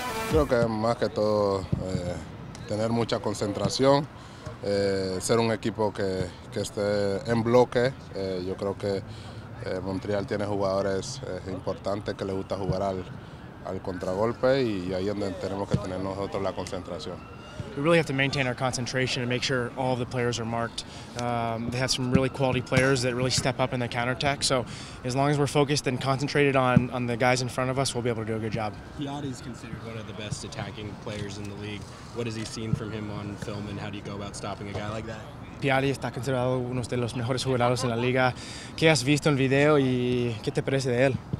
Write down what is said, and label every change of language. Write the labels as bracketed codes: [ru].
[es] creo que más que todo tener mucha concentración, ser un equipo que esté en bloque. Yo creo que Montreal tiene jugadores importantes que les gusta jugar al contragolpe, y ahí es donde tenemos que tener nosotros la concentración. [en] We really have to maintain our concentration and make sure all the players are marked. They have some really quality players that really step up in the counterattack. So as long as we're focused and concentrated on the guys in front of us, we'll be able to do a good job. Piatti is considered one of the best attacking players in the league. What has he seen from him on film, and how do you go about stopping a guy like that? [es] Piatti está considerado uno de los mejores jugadores en la liga. ¿Qué has visto en video y qué te parece de él?